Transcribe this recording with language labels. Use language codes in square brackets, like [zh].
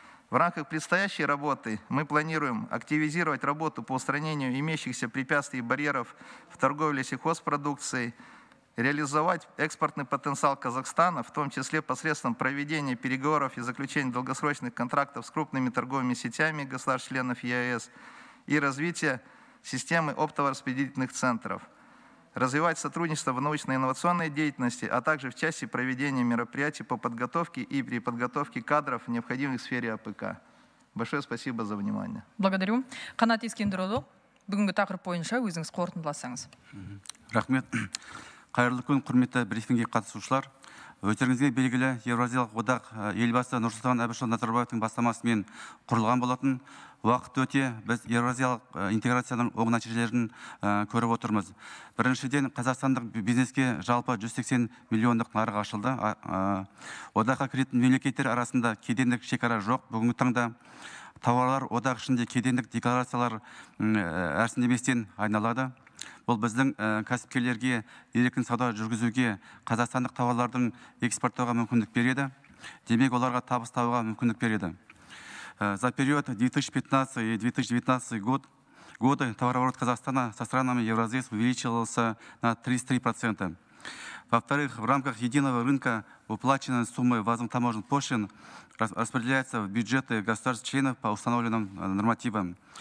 [ru] В рамках предстоящей работы мы планируем активизировать работу по устранению имеющихся препятствий и барьеров в торговле сельхозпродукцией, реализовать экспортный потенциал Казахстана, в том числе посредством проведения переговоров и заключения долгосрочных контрактов с крупными торговыми сетями государств-членов ЕАЭС и развития системы оптово-распределительных центров, развивать сотрудничество в научно-инновационной деятельности, а также в части проведения мероприятий по подготовке и переподготовке кадров, необходимых в сфере АПК. Большое спасибо за внимание. Благодарю. [kk] Канат Искендерулу, бүгінгі тақырып бойынша өзіңіз қорытындыласаңыз. Рахмет. Қайырлы күн, құрметті брифинге қатысушылар. Өздеріңізге белгілі Еуразиялық одақ елбасы Нұрсұлтан Әбішұлы Назарбаевтың бастамасымен құрылған болатын. Уақыт өте біз еуразиялық интеграцияның оң нәтижелерін көріп отырмыз. Біріншіден, қазақстандық бизнеске жалпы 180 миллиондық нарық ашылды. Одаққа кіретін мемлекеттер арасында кедендік шекара жоқ. Бүгінгі таңда тауарлар одақ ішінде кедендік декларациялар әрсіндеместен айналады. Бұл біздің кәсіпкерлерге еркін сауда жүргізуге қазақстандық тауарлардың экспорттауға мүмкіндік береді. Демек, оларға табыс табуға мүмкіндік береді. [ru] За период 2015 и 2019 годы товарооборот Казахстана со странами Евразии увеличился на 33%. Во-вторых, в рамках единого рынка уплаченные суммы таможенных пошлин распределяются в бюджеты государств-членов по установленным нормативам.